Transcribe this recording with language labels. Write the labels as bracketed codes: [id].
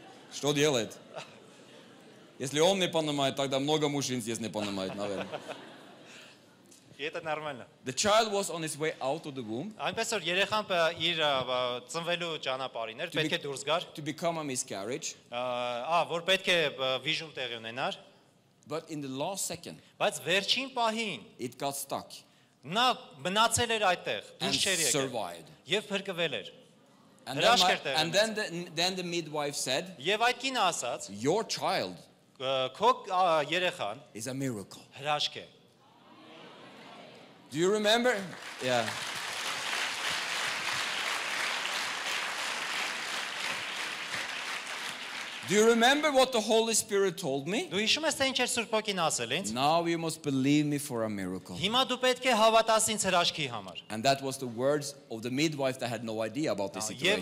[ru] Что делает? Если он не понимает, тогда много мужчин здесь не понимают, наверное. И это нормально. [en] The child was on his way out of the womb. [hy] Այն պես որ երեխան իր ծնվելու ճանապարհին էր, պետք է դուրս գար. [en] To become a miscarriage. [hy] Որ պետք է վիժում տեղի ունենար. [en] But in the last second. [hy] Բայց վերջին պահին. [en] It got stuck. [hy] Նա մնացել էր այդտեղ, դուրս չեր եկել. [en] Survived. [hy] Եվ փրկվել էր. [en] And then, the midwife said, [hy] Եվ այդ կինը ասաց, [en] Your child [hy] քո երեխան [en] is a miracle. [hy] Հրաշք է. [en] Do you remember? Yeah. Do you remember what the Holy Spirit told me? [hy] Դու հիշում ես թե ինչ էր Սուրբ Հոգին ասել ինձ? [en] Now you must believe me for a miracle. [hy] Հիմա դու պետք է հավատաս ինձ հրաշքի համար. [en] And that was the words of the midwife that had no idea about the situation.